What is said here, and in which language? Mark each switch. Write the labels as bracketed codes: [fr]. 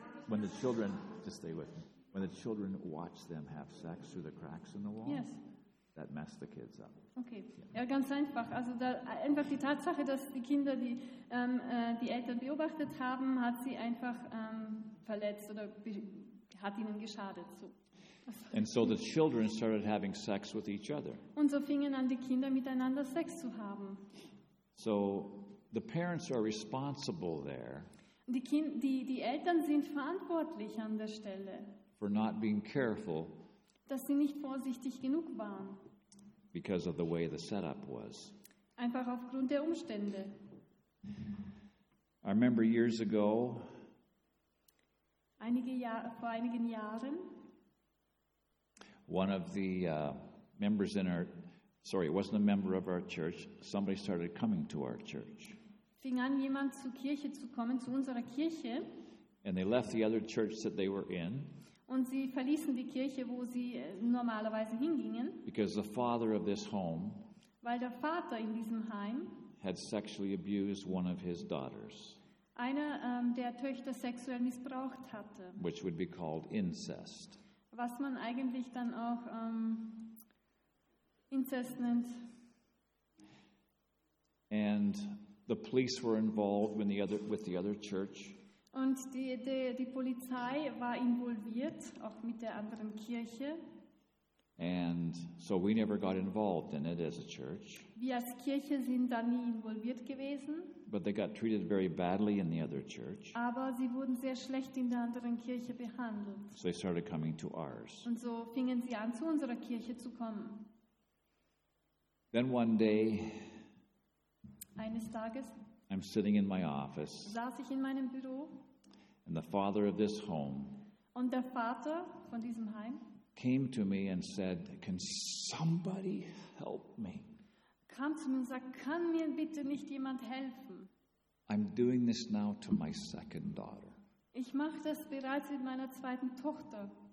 [en] When the children watch them have sex through the cracks in the wall, yes. That messed the kids up. [de] Okay, ja, ganz einfach. Also da einfach die Tatsache, dass die Kinder die Eltern beobachtet haben, hat sie einfach verletzt oder hat ihnen geschadet. So. [en] And so the children started having sex with each other. [de] Und so fingen an, die Kinder miteinander Sex zu haben. [en] So the parents are responsible there. [de] Die Eltern sind verantwortlich an der Stelle. [en] For not being careful. [de] Dass sie nicht vorsichtig genug waren. [en] Because of the way the setup was. [de] Einfach aufgrund der Umstände. [en] I remember years ago. [de] Vor einigen Jahren. [en] One of the members in our, sorry, it wasn't a member of our church. Somebody started coming to our church. [de] Fing an, jemand zur Kirche zu kommen, zu unserer Kirche. [en] And they left the other church that they were in. [de] Und sie verließen die Kirche, wo sie normalerweise hingingen. [en] Because the father of this home. [de] Weil der Vater in diesem Heim. [en] Had sexually abused one of his daughters. [de] Einer der Töchter sexuell missbraucht hatte. [en] Which would be called incest. [de] Was man eigentlich dann auch incest nennt. [en] And the police were involved with the other church. [de] Und die Polizei war involviert, auch mit der anderen Kirche. [en] And so we never got involved in it as a church. [de] Wir als Kirche sind da nie involviert gewesen. [en] But they got treated very badly in the other church. [de] Aber sie wurden sehr schlecht in der anderen Kirche behandelt. [en] So they started coming to ours. [de] Und so fingen sie an, zu unserer Kirche zu kommen. [en] Then one day, [de] eines Tages, [en] I'm sitting in my office, [de] saß ich in meinem Büro, [en] and the father of this home, [de] und der Vater von diesem Heim, [en] came to me and said, "Can somebody help me?" [de] Kam zu mir und sagte, kann mir bitte nicht jemand helfen? [en] I'm doing this now to my second daughter. [de] Ich mache das bereits mit meiner zweiten Tochter.